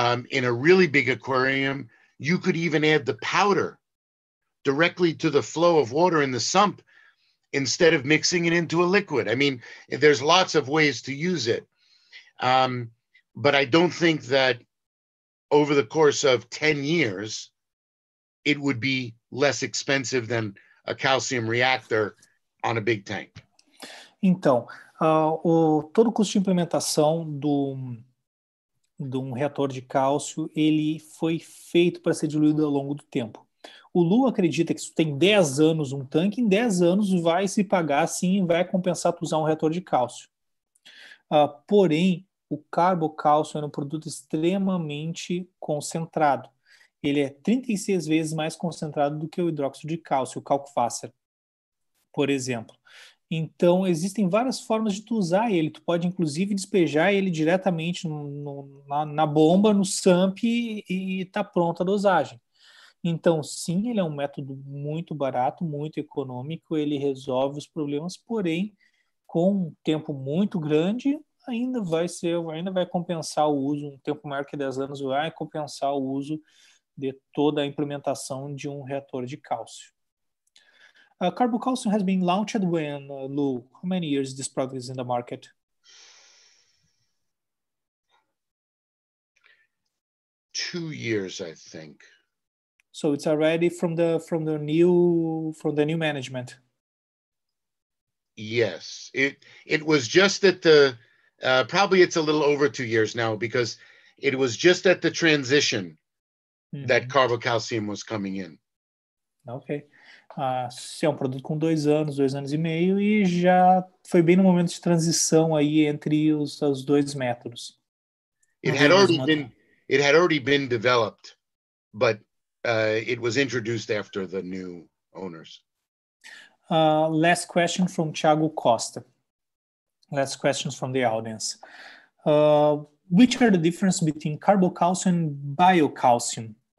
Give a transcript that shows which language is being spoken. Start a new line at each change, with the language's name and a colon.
English: In a really big aquarium, you could even add the powder directly to the flow of water in the sump instead of mixing it into a liquid. I mean, there's lots of ways to use it. But I don't think that over the course of 10 years, it would be less expensive than a calcium reactor on a big tank.
Portuguese: Então, todo custo de implementação de um reator de cálcio, ele foi feito para ser diluído ao longo do tempo. O Lu acredita que isso tem 10 anos um tanque, em 10 anos vai se pagar sim e vai compensar tu usar um reator de cálcio. Porém, o carbocálcio é um produto extremamente concentrado. Ele é 36 vezes mais concentrado do que o hidróxido de cálcio, o kalkwasser, por exemplo. Então, existem várias formas de tu usar ele. Tu pode, inclusive, despejar ele diretamente na bomba, no sump, e está pronta a dosagem. Então, sim, ele é um método muito barato, muito econômico, ele resolve os problemas, porém, com um tempo muito grande, ainda vai compensar o uso, um tempo maior que 10 anos vai compensar o uso de toda a implementação de um reator de cálcio.
English: Carbocalcium has been launched when, Lou? How many years this product is in the market? Two years, I think. So it's already from the new management. Yes, it was just at the probably it's a little over 2 years now because it was just at the transition that carbocalcium was coming in. Okay.
Portuguese: Se é um produto com dois anos e meio, e já foi bem no momento de transição aí entre os dois métodos.
English: It had already been developed, but it was introduced after the new owners. Last question from Thiago Costa. Last questions from the audience. Which are the difference between carbocalcium and biocalcium?